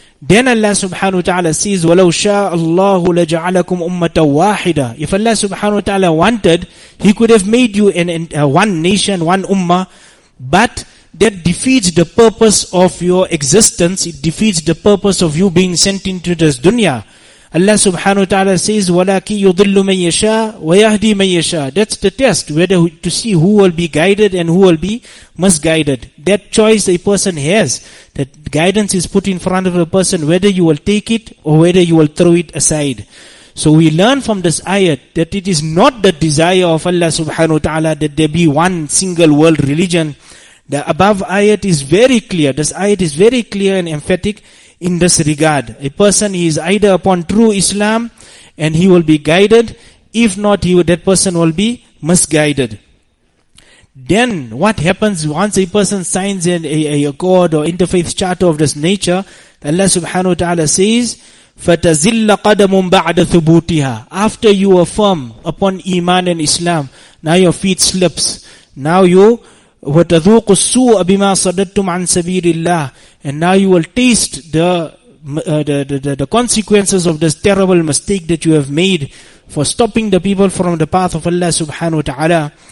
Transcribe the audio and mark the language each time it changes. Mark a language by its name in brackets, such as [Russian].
[English] Then Allah subhanahu wa ta'ala says, [Arabic] وَلَوْ شَاءَ اللَّهُ لَجَعَلَكُمْ أُمَّةً وَاحِدًا. [English] If Allah subhanahu wa ta'ala wanted, He could have made you one nation, one ummah, but that defeats the purpose of your existence. It defeats the purpose of you being sent into this dunya. Allah subhanahu wa ta'ala says, [Arabic] وَلَكِ يُضِلُّ مَنْ يَشَاءُ وَيَهْدِي مَنْ يَشَاءُ. [English] That's the test, whether to see who will be guided and who will be misguided. That choice a person has, that guidance is put in front of a person, whether you will take it or whether you will throw it aside. So we learn from this ayat that it is not the desire of Allah subhanahu wa ta'ala that there be one single world religion. The above ayat is very clear. This ayat is very clear and emphatic in this regard. A person is either upon true Islam and he will be guided. If not, that person will be misguided. Then what happens once a person signs an accord or interfaith charter of this nature? Allah subhanahu wa ta'ala says, [Arabic] فَتَزِلَّ قَدَمٌ بَعْدَ ثُبُوتِهَا. [English] After you affirm upon Iman and Islam, now your feet slips. Now you, [Arabic] وَتَذُوقُ السُّوءَ بِمَا صَدَدْتُمْ عَنْ سَبِيلِ اللَّهِ. [English] And now you will taste the consequences of this terrible mistake that you have made for stopping the people from the path of Allah subhanahu wa ta'ala.